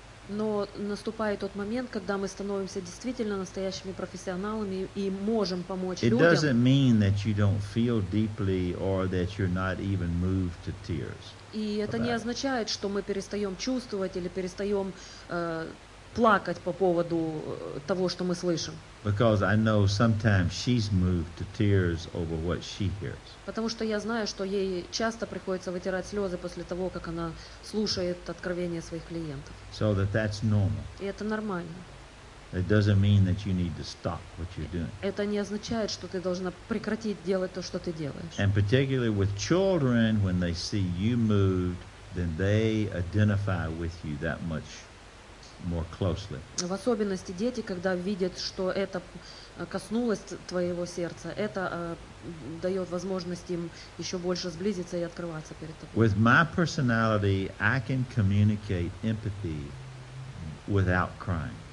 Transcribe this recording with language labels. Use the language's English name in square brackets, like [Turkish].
[Russian] Но наступает тот момент, когда мы становимся действительно настоящими профессионалами и можем помочь [English] it [Russian] людям. [English] It doesn't mean that you don't feel deeply or that you're not even moved to tears. [Russian] И это не означает, что мы перестаем чувствовать или перестаем плакать по поводу того, что мы слышим. [English] Because I know sometimes she's moved to tears over what she hears. [Russian] Потому что я знаю, что ей часто приходится вытирать слезы после того, как она слушает откровения своих клиентов. [English] So that's normal. [Russian] И это нормально. [English] It doesn't mean that you need to stop what you're doing. [Russian] Это не означает, что ты должна прекратить делать то, что ты делаешь. [English] And particularly with children, when they see you moved, then they identify with you that much more closely. [Russian] В особенности дети, когда видят, что это коснулось твоего сердца, это дает возможность им еще больше сблизиться и открываться перед тобой. [English] With my personality, I can communicate empathy without crying.